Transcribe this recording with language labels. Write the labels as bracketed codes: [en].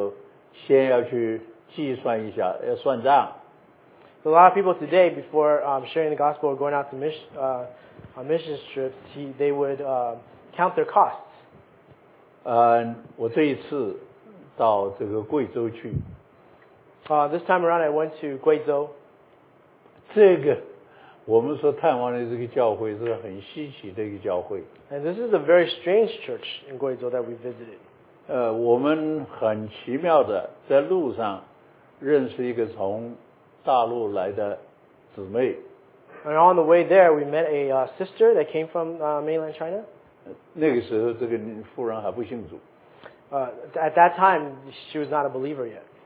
[zh] 今天很多人要传福音的时候，先要去计算一下，要算账。 [en] A lot of people today, before sharing the gospel or going out to mission trips, they would count their costs. [zh] 我这一次到这个贵州去。 [en] This time around, I went to Guizhou. [zh] 这个我们说探望的这个教会是很稀奇的一个教会。 [en] And this is a very strange church in Guizhou that we visited. [zh] 我们很奇妙的在路上认识一个从 [en] And on the way there, we met a sister that came from mainland China. At that time, she was not a believer yet.